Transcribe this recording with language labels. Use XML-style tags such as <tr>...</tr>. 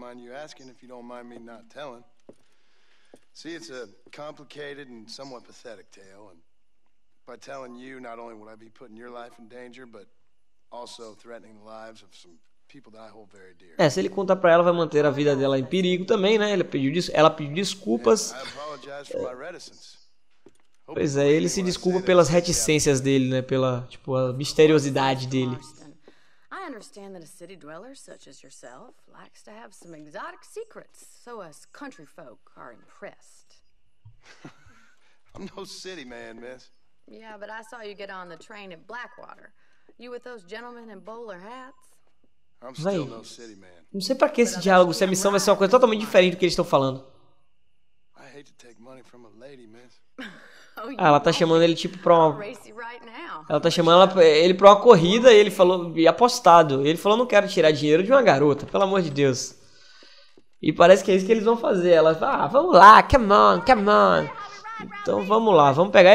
<pt>Bem, por que não me perguntar?</pt> <en>See, it's a complicated and somewhat pathetic tale, and by telling you, not only would I be putting your life in danger, but also threatening the lives of some people that I hold very dear.</en> <pt>É, se ele contar pra ela, vai manter a vida dela em perigo também, né? Ela pediu desculpas.</pt> <en>I apologize for my reticence.</en> <pt>Pois é, ele se desculpa pelas reticências dele, né? Pela, tipo, a misteriosidade dele.</pt> <en>I understand that a city dweller such as yourself likes to have some exotic secrets, so us country folk are impressed. I'm no city man, miss. Yeah, but I saw you get on the train at Blackwater. You with those gentlemen in bowler hats? I'm still no city man.</en> <pt>Não sei pra que esse diálogo, se a missão vai ser uma coisa totalmente diferente do que eles estão falando.</pt> <en>I hate to take money from a lady, miss.</en> <pt>Ah, ela tá chamando ele tipo pra uma... Ela tá chamando ele pra uma corrida e ele falou... E apostado. Ele falou, não quero tirar dinheiro de uma garota, pelo amor de Deus. E parece que é isso que eles vão fazer. Ela fala, ah, vamos lá,</pt> <en>come on, come on.</en> <pt>Então vamos lá, vamos pegar...</pt>